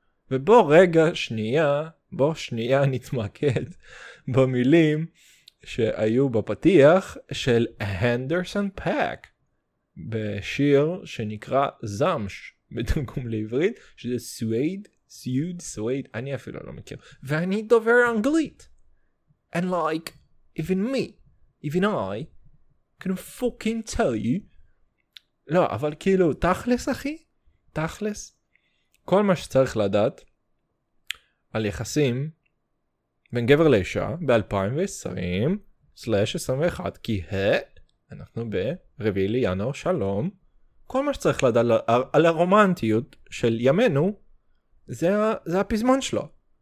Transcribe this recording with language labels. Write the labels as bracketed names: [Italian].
[Hebrew] ובוא רגע, שנייה, בוא שנייה נתמקד במילים שהיו בפתיח של הנדרסון פאק בשיר שנקרא זמש בתרגום לעברית, שזה סווייד, סיוד, סווייד, אני אפילו לא מכיר. ואני דובר אנגלית. [English] And like, even me, even I, can fucking tell you. [Hebrew] לא, אבל כאילו, תכלס אחי, תכלס, כל מה שצריך לדעת על יחסים בין גבר לאישה ב-2020/21, כי אנחנו ברביעי לינואר, שלום, כל מה שצריך לדעת על הרומנטיות של ימינו, זה הפזמון שלו.